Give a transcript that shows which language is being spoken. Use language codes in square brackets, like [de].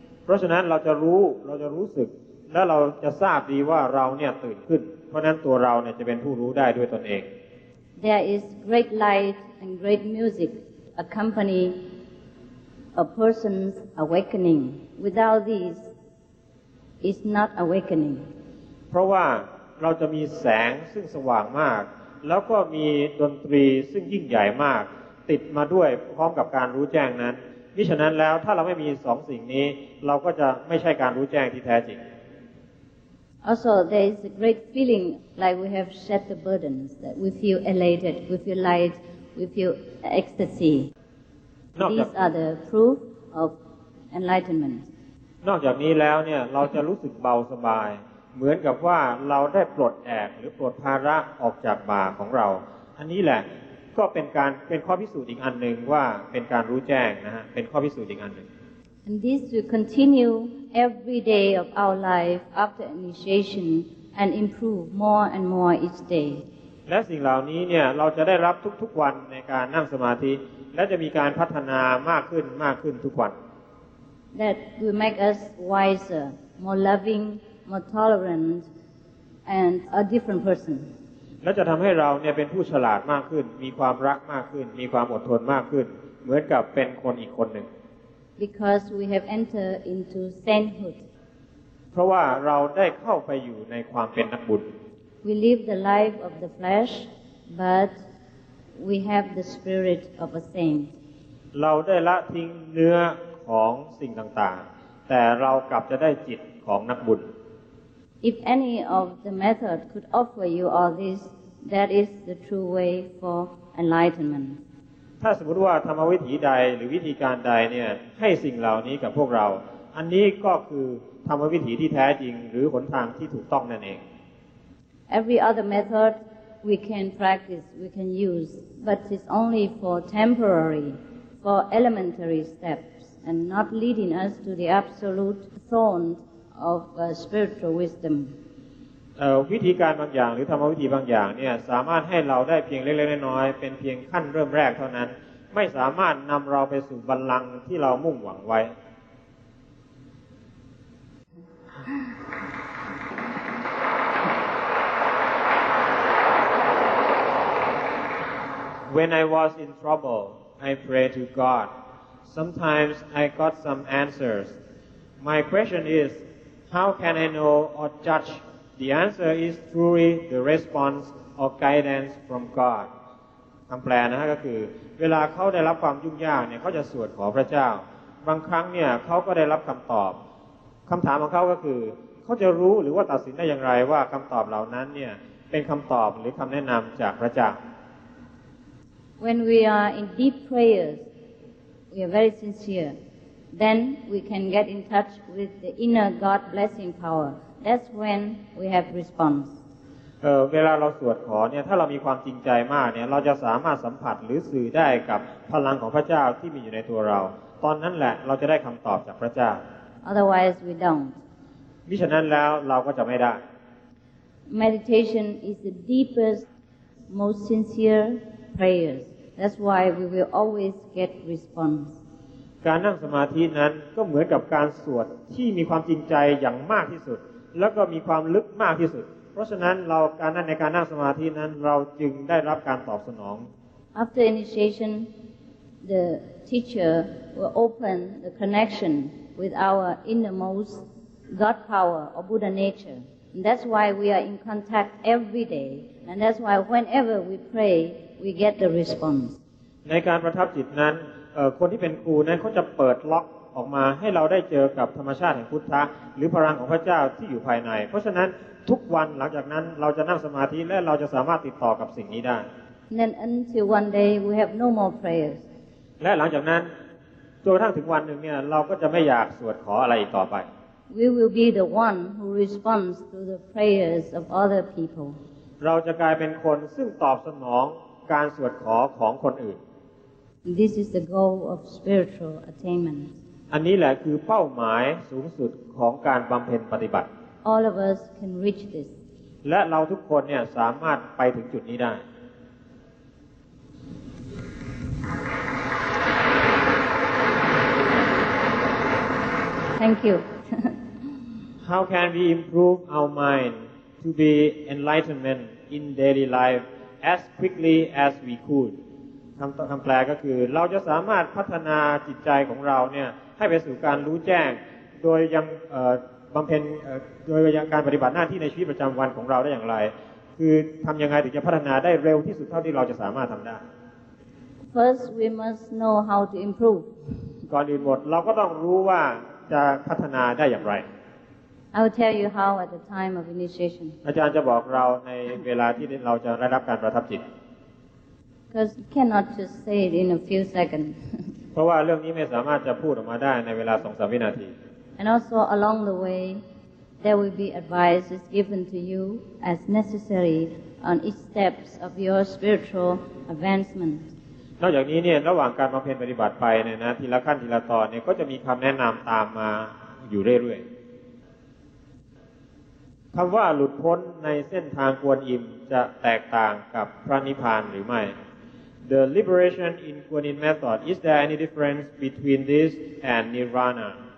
[th] เพราะฉะนั้นเราจะรู้สึกและเราจะทราบดีว่าเราเนี่ยตื่นขึ้นเพราะฉะนั้นตัวเราเนี่ยจะเป็นผู้รู้ได้ด้วยตนเอง [en] There is great light and great music accompany a person's awakening without these is not awakening [th] เพราะว่าเราจะมีแสงซึ่งสว่างมากแล้วก็มีดนตรีซึ่งยิ่งใหญ่มากติดมาด้วยพร้อมกับการรู้แจ้งนั้นมิฉะนั้นแล้วถ้าเราไม่มีสองสิ่งนี้เราก็จะไม่ใช่การรู้แจ้งที่แท้จริง [en] Also there is a great feeling like we have shed the burdens that we feel elated we feel light we feel ecstasy These are the proof of enlightenment [th] นอกจากนี้แล้วเนี่ยเราจะรู้สึกเบาสบายเหมือนกับว่าเราได้ปลดแอกหรือปลดภาระออกจากบ่าของเราอันนี้แหละก็เป็นข้อพิสูจน์อีกอันนึงว่าเป็นการรู้แจ้งนะฮะเป็นข้อพิสูจน์อีกอันนึง [en] And this will continue every day of our life after initiation and improve more and more each day [th] และสิ่งเหล่านี้เนี่ยเราจะได้รับทุกๆวันในการนั่งสมาธิและจะมีการพัฒนามากขึ้นมากขึ้นทุกวัน [en] That will make us wiser more loving more tolerant and a different person [th] แล้วจะทำให้เราเนี่ยเป็นผู้ฉลาดมากขึ้นมีความรักมากขึ้นมีความอดทนมากขึ้นเหมือนกับเป็นคนอีกคนหนึ่ง [en] Because we have entered into sainthood [th] เพราะว่าเราได้เข้าไปอยู่ในความเป็นนักบุญ [en] We live the life of the flesh but we have the spirit of a saint [th] เราได้ละทิ้งเนื้อของสิ่งต่างๆแต่เรากลับจะได้จิตของนักบุญ [en] If any of the method could offer you all this, that is the true way for enlightenment. [th] ถ้าสมมติว่าธรรมวิธีใดหรือวิธีการใดเนี่ยให้สิ่งเหล่านี้กับพวกเราอันนี้ก็คือธรรมวิธีที่แท้จริงหรือหนทางที่ถูกต้องนั่นเอง [en] Every other method we can practice, we can use, but it's only for temporary, for elementary steps, and not leading us to the absolute throne. Of spiritual wisdom. [th] วิธีการบางอย่างหรือธรรมวิธีบางอย่างเนี่ยสามารถให้เราได้เพียงเล็กๆน้อยๆเป็นเพียงขั้นเริ่มแรกเท่านั้นไม่สามารถนำเราไปสู่บัลลังก์ที่เรามุ่งหวังไว้ [en] When I was in trouble, I prayed to God. Sometimes I got some answers. My question is, how can I know or judge the answer is truly the response or guidance from God? [th] คำแปลนะฮะก็คือเวลาเขาได้รับความยุ่งยากเนี่ยเขาจะสวดขอพระเจ้าบางครั้งเนี่ยเขาก็ได้รับคำตอบคำถามของเขาก็คือเขาจะรู้หรือว่าตัดสินได้อย่างไรว่าคำตอบเหล่านั้นเนี่ยเป็นคำตอบหรือคำแนะนำจากพระเจ้า [en] When we are in deep prayers we are very sincere then we can get in touch with the inner God blessing power that's when we have response [th] เวลาเราสวดขอเนี่ยถ้าเรามีความจริงใจมากเนี่ยเราจะสามารถสัมผัสหรือสื่อได้กับพลังของพระเจ้าที่มีอยู่ในตัวเราตอนนั้นแหละเราจะได้คำตอบจากพระเจ้า [en] Otherwise we don't [th] มิฉะนั้นแล้วเราก็จะไม่ได้ [en] Meditation is the deepest most sincere prayers that's why we will always get response [th] การนั่งสมาธินั้นก็เหมือนกับการสวดที่มีความจริงใจอย่างมากที่สุดแล้วก็มีความลึกมากที่สุดเพราะฉะนั้นเราการนั่งในการนั่งสมาธินั้นเราจึงได้รับการตอบสนอง [en] After initiation the teacher will open the connection with our innermost God power or Buddha nature and that's why we are in contact every day and that's why whenever we pray we get the response [th] ในการประทับจิตนั้นคนที่เป็นครูนั้นเขาจะเปิดล็อกออกมาให้เราได้เจอกับธรรมชาติแห่งพุทธะหรือพลังของพระเจ้าที่อยู่ภายในเพราะฉะนั้นทุกวันหลังจากนั้นเราจะนั่งสมาธิและเราจะสามารถติดต่อกับสิ่งนี้ได้ [en] Then until one day we have no more prayers [th] และหลังจากนั้นจนกระทั่งถึงวันหนึ่งเนี่ยเราก็จะไม่อยากสวดขออะไรอีกต่อไป [en] We will be the one who responds to the prayers of other people [th] เราจะกลายเป็นคนซึ่งตอบสนองการสวดขอของคนอื่น [en] This is the goal of spiritual attainment [th] อันนี้แหละคือเป้าหมายสูงสุดของการบำเพ็ญปฏิบัติ [en] All of us can reach this [th] และเราทุกคนเนี่ยสามารถไปถึงจุดนี้ได้ [en] Thank you How can we improve our mind to be enlightenment in daily life as quickly as we could [th] คำแปลก็คือเราจะสามารถพัฒนาจิตใจของเราเนี่ยให้ไปสู่การรู้แจ้งโดยยังบำเพ็ญโดยยังการปฏิบัติหน้าที่ในชีวิตประจำวันของเราได้อย่างไรคือทำยังไงถึงจะพัฒนาได้เร็วที่สุดเท่าที่เราจะสามารถทำได้ [en] First we must know how to improve [th] ก่อนอื่นหมดเราก็ต้องรู้ว่าจะพัฒนาได้อย่างไร [en] I will tell you how at the time of initiation [th] อาจารย์จะบอกเราในเวลาที่เราจะได้รับการประทับจิต [en] Because you cannot just say it in a few seconds [th] เพราะว่าเรื่องนี้ไม่สามารถจะพูดออกมาได้ในเวลา 2-3 วินาที [en] And also along the way there will be advice is given to you as necessary on each steps of your spiritual advancement [th] นอกจากนี้เนี่ยระหว่างการบำเพ็ญปฏิบัติไปเนี่ยนะทีละขั้นทีละตอนเนี่ยก็จะมีคำแนะนำตามมาอยู่เรื่อยๆคำว่าหลุดพ้นในเส้นทางกวนอิมจะแตกต่างกับพระนิพพานหรือไม่ [en] The liberation in Kuan Yin method, is there any difference between this and Nirvana?